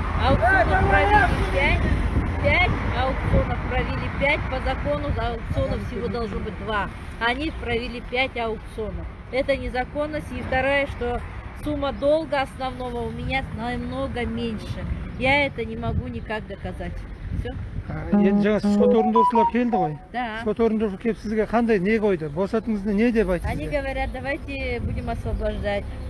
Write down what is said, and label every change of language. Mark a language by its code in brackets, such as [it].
[ru] Аукционов провели 5, аукционов провели 5, по закону аукционов всего должно быть 2. Они провели 5 аукционов. Это незаконность. И второе, что сумма долга основного у меня намного меньше. Я это не могу никак доказать. Все. [kk] Енді жаңа сот орындаушылар келді ғой. [ru] Да. [kk] Сот орындаушы келіп сізге қандай не қойды? Босатыңызды не деп айтты? [ru] Они говорят, давайте будем освобождать.